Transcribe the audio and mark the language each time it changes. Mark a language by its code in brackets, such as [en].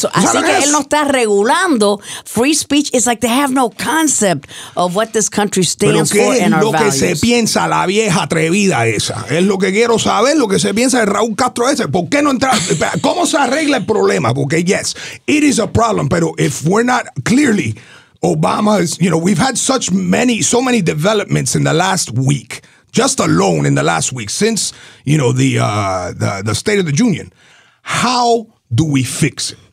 [es] So, así que él no está regulando [en] free speech. It's like they have no concept of what this country stands for and our values. [es] ¿Pero qué es lo que se piensa la vieja atrevida esa? Es lo que quiero saber, lo que se piensa de Raúl Castro ese. ¿Por qué no entra? ¿Cómo se arregla el problema? Porque, [en] yes, it is a problem, [es] pero [en] if we're not clearly, Obama is, you know, we've had so many developments in the last week, just alone in the last week, since, you know, the State of the Union. How do we fix it?